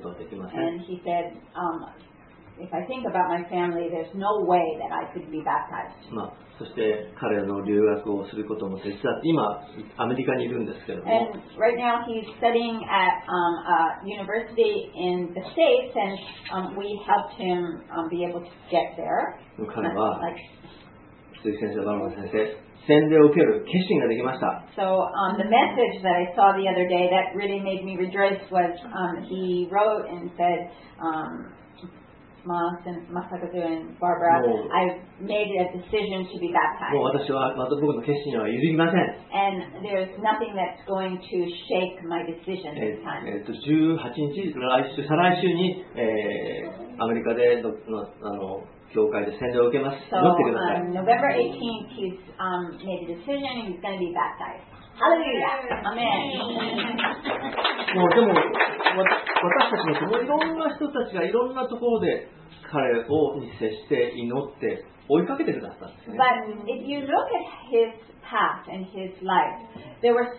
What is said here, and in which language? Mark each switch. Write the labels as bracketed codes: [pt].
[en] And he said, if I think about my family, there's no way that I could be baptized. [ja] そして彼の留学をすることも手伝って、今アメリカにいるんですけども。 [en] And right now he's studying at a university in the States, and we helped him be able to get there. [ja] 彼は、鈴木先生、バーバラ先生、洗礼を受ける決心ができました。 [en] So the message that I saw the other day that really made me rejoice was he wrote and said, Moss and Masakazu and Barbara, I made a decision to be baptized. And there's nothing that's going to shake my decision this time. November 18th, he's made a decision and he's going to be baptized. Hallelujah! Amen! [ja] でも、私たちのいろんな人たちがいろんなところで彼を見せて祈って追いかけてくださったんですよ。 [en] But if you look at his path and his life, there